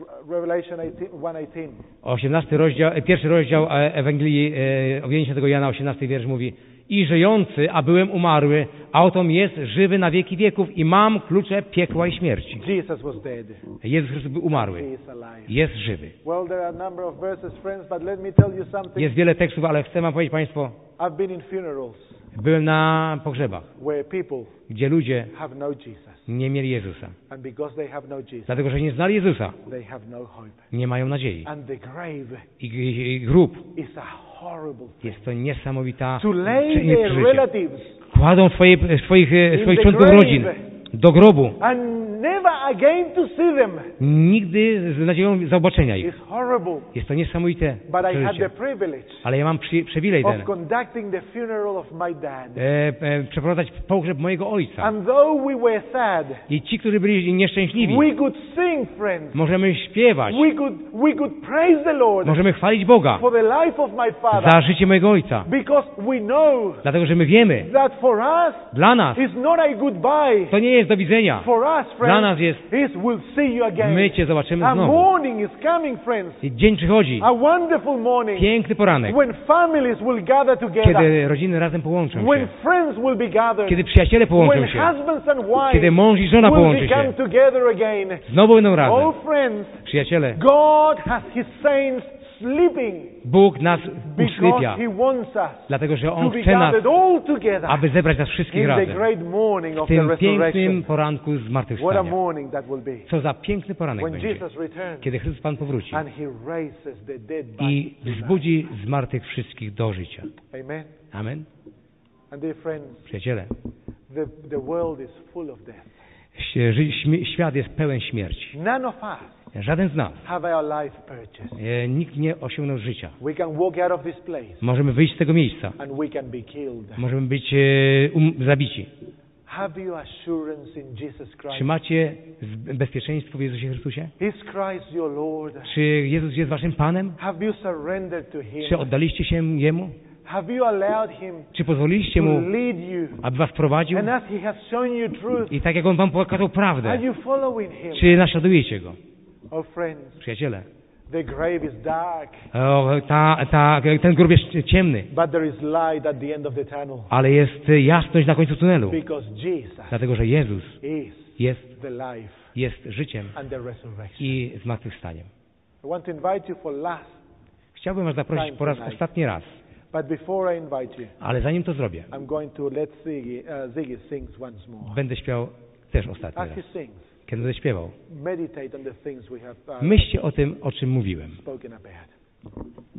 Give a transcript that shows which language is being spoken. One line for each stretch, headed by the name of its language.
English: Revelation 1:18.
Polish: 18 rozdział, pierwszy rozdział Ewangelii objawienia świętego Jana, 18 wiersz mówi: i żyjący, a byłem umarły, a oto jest żywy na wieki wieków i mam klucze piekła i śmierci.
English: Jesus was dead.
Polish: Jezus Chrystus był umarły.
English: He is alive.
Polish: Jest żywy.
English: Well, there are a number of verses, friends, but let me tell you something.
Polish: Jest wiele tekstów, ale chcę wam powiedzieć, Państwo.
English: I've been in funerals.
Polish: Byłem na pogrzebach,
English: where people,
Polish: gdzie ludzie
English: have no Jesus,
Polish: nie mieli Jezusa.
English: And because they have no Jesus,
Polish: dlatego, że nie znali Jezusa,
English: they have no hope.
Polish: Nie mają nadziei.
English: And the grave,
Polish: i grób
English: is a horrible thing.
Polish: Jest to niesamowita przeżycie. Kładą swoich członków rodzin do grobu.
English: And never again to see them.
Polish: Nigdy z nadzieją zobaczenia ich.
English: It's horrible.
Polish: Jest to niesamowite.
English: But I had the privilege,
Polish: ale ja mam przywilej ten,
English: of conducting the funeral of my dad.
Polish: Przeprowadzać pogrzeb mojego ojca.
English: And though we were sad,
Polish: i ci, którzy byli nieszczęśliwi,
English: we could sing, friends.
Polish: Możemy śpiewać.
English: We could praise the Lord.
Polish: Możemy chwalić Boga
English: for the life of my father,
Polish: za życie mojego ojca.
English: Because we know,
Polish: dlatego, że my wiemy,
English: that for us,
Polish: dla nas
English: it's not a goodbye.
Polish: To nie jest do widzenia.
English: For us, friends,
Polish: dla nas jest my Cię zobaczymy znowu. I dzień przychodzi.
English: A wonderful morning.
Polish: Piękny poranek.
English: When families will gather together.
Polish: Kiedy rodziny razem połączą się.
English: When friends will be gathered.
Polish: Kiedy przyjaciele połączą
English: when
Polish: się.
English: Husbands and wives.
Polish: Kiedy mąż i żona połączą
English: will
Polish: się.
English: Become together again.
Polish: Znowu będą razem.
English: All friends,
Polish: przyjaciele.
English: God has His saints sleeping.
Polish: Bóg nas usypia.
English: He wants us
Polish: dlatego, że On chce nas, aby zebrać nas wszystkich razem w tym pięknym poranku zmartwychwstania. Co za piękny poranek
English: when
Polish: będzie,
English: Jesus returns,
Polish: kiedy Chrystus Pan powróci
English: and he raises the dead
Polish: i wzbudzi zmartwych wszystkich do życia.
English: Amen.
Polish: Amen.
English: And dear friends,
Polish: przyjaciele,
English: the world is full of death.
Polish: Świat jest pełen śmierci.
English: None of us.
Polish: Żaden z nas.
English: Have our life purchased.
Polish: Nikt nie osiągnął życia.
English: We can walk out of this place.
Polish: Możemy wyjść z tego miejsca.
English: And we can be killed.
Polish: Możemy być zabici.
English: Have you assurance in Jesus Christ?
Polish: Czy macie bezpieczeństwo w Jezusie Chrystusie?
English: Is Christ your Lord?
Polish: Czy Jezus jest waszym Panem?
English: Have you surrendered to Him?
Polish: Czy oddaliście się Jemu?
English: Have you allowed him
Polish: czy pozwoliliście Mu, aby was prowadził?
English: And as he has shown you truth,
Polish: i tak jak On wam pokazał prawdę,
English: are you following him?
Polish: Czy naśladujecie Go?
English: Oh, friends,
Polish: przyjaciele,
English: the grave is dark,
Polish: ten grób jest ciemny,
English: but there is light at the end of the tunnel,
Polish: ale jest jasność na końcu tunelu,
English: because Jesus
Polish: dlatego, że Jezus
English: is
Polish: jest,
English: the life
Polish: jest życiem
English: and the resurrection.
Polish: I zmartwychwstaniem.
English: I want to invite you for last
Polish: chciałbym was zaprosić po raz ostatni raz.
English: But before I invite you,
Polish: ale zanim to zrobię,
English: I'm going to let Ziggy sing once more.
Polish: Będę śpiewał też ostatni raz.
English: As he sings,
Polish: kiedy będę śpiewał,
English: meditate on the things we have,
Polish: myślcie o tym, o czym mówiłem.
English: Spoken about.